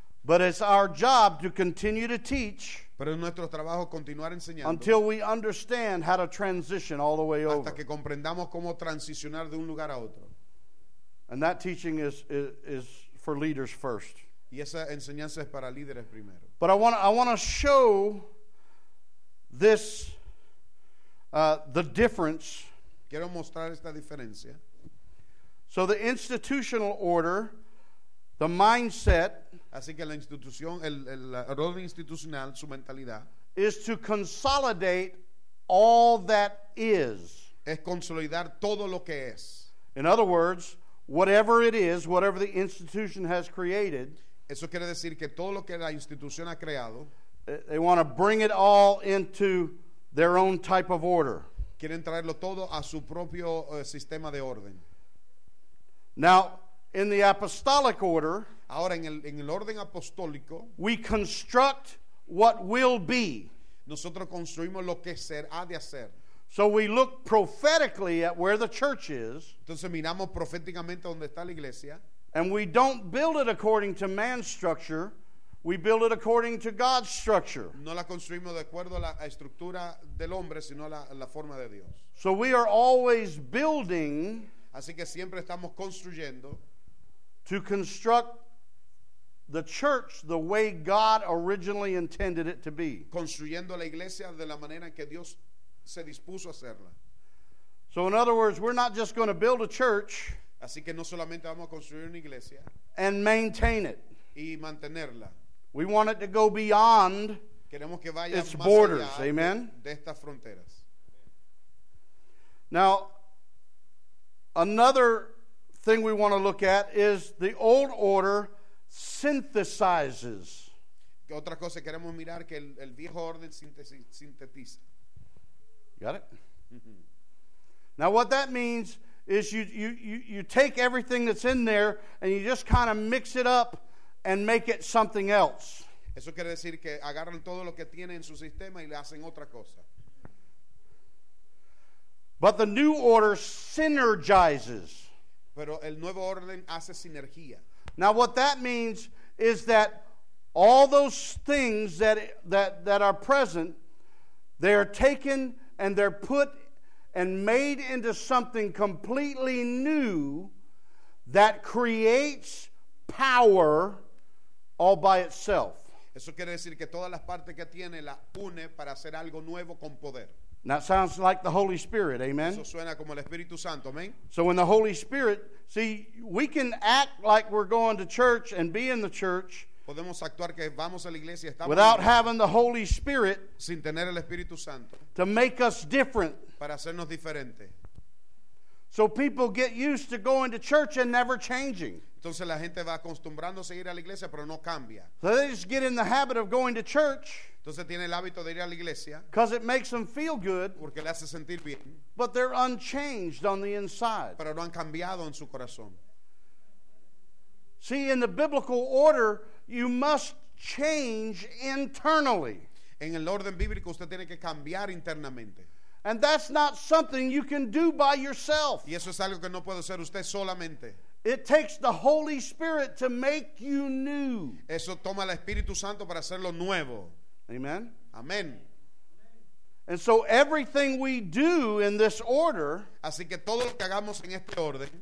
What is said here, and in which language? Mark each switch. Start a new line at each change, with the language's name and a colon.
English: But it's our job to continue to teach.
Spanish: Pero es nuestro trabajo continuar enseñando.
English: Until we understand how to transition all the way
Spanish: hasta
English: over.
Spanish: Hasta que comprendamos cómo transicionar de un lugar a otro.
English: And that teaching is for leaders first.
Spanish: Y esa enseñanza es para líderes primero.
English: But I want to show this the difference.
Spanish: Quiero mostrar esta diferencia.
English: So the institutional order, the mindset,
Spanish: así que la institución, el orden institucional, su mentalidad,
English: is to consolidate all that is.
Spanish: Es consolidar todo lo que es.
English: In other words, whatever it is, whatever the institution has created,
Spanish: eso quiere decir que todo lo que la institución ha creado,
English: they want to bring it all into their own type of order.
Spanish: Quieren traerlo todo a su propio sistema de orden.
English: Now, in the apostolic order,
Spanish: ahora en el orden apostólico,
English: we construct what will be.
Spanish: Nosotros construimos lo que será de hacer.
English: So we look prophetically at where the church is.
Spanish: Entonces miramos proféticamente donde está la iglesia.
English: And we don't build it according to man's structure. We build it according to God's structure.
Spanish: No la construimos de acuerdo a la estructura del hombre, sino la forma de Dios.
English: So we are always building.
Spanish: Así que siempre estamos construyendo.
English: To construct the church the way God originally intended it to be.
Spanish: Construyendo la iglesia de la manera que Dios se dispuso a hacerla.
English: So in other words, we're not just going to build a church.
Spanish: Así que no solamente vamos a construir una iglesia.
English: And maintain it.
Spanish: Y mantenerla.
English: We want it to go beyond its borders. Amen.
Spanish: De estas fronteras.
English: Now, another thing we want to look at is the old order synthesizes.
Spanish: Otra cosa queremos mirar que el viejo orden sintetiza.
English: Got it? Now, what that means is you take everything that's in there and you just kind of mix it up and make it something else.
Spanish: Eso quiere decir que agarran todo lo que tienen en su sistema y le hacen otra cosa.
English: But the new order synergizes.
Spanish: Pero el nuevo orden hace sinergia.
English: Now, what that means is that all those things that are present, they are taken and they're put and made into something completely new that creates power all by itself.
Spanish: Eso quiere decir que todas las partes que tiene las une para hacer algo nuevo con poder.
English: Now, that sounds like the Holy Spirit, amen?
Spanish: Eso suena como el Espíritu Santo, amen?
English: So when the Holy Spirit, see, we can act like we're going to church and be in the church
Spanish: podemos actuar que vamos a la iglesia, estamos
English: without having the Holy Spirit
Spanish: sin tener el Espíritu Santo
English: to make us different.
Spanish: Para hacernos diferente.
English: So people get used to going to church and never changing.
Spanish: Entonces la gente va acostumbrándose a ir a la iglesia, pero no cambia.
English: So they just get in the habit of going to church.
Spanish: Entonces tiene el hábito de ir a la iglesia.
English: Because it makes them feel good.
Spanish: Porque le hace sentir bien.
English: But they're unchanged on the inside.
Spanish: Pero no han cambiado en su corazón.
English: See, in the biblical order, you must change internally.
Spanish: En el orden bíblico, usted tiene que cambiar internamente.
English: And that's not something you can do by yourself.
Spanish: Y eso es algo que no puede hacer usted solamente.
English: It takes the Holy Spirit to make you new.
Spanish: Eso toma el Espíritu Santo para hacerlo nuevo.
English: Amen.
Spanish: Amen.
English: And so everything we do in this order,
Spanish: así que todo lo que hagamos en este orden,